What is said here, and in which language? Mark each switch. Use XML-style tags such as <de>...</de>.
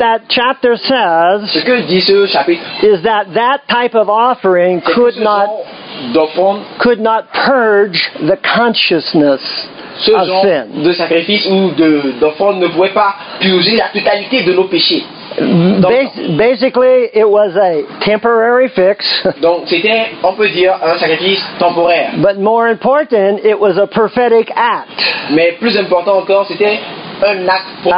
<en>that chapter says is that type of offering could not purge the consciousness.</en> <fr>Ce genre de sacrifice ou d'offrande ne pouvait pas purger la totalité de nos péchés.</fr> <en>Basically, it was a temporary fix.</en> <fr>Donc, c'était, on peut dire, un sacrifice temporaire.</fr> <en>But more important, it was a prophetic act.</en> <fr>Mais plus important encore, c'était un acte prophétique.</fr>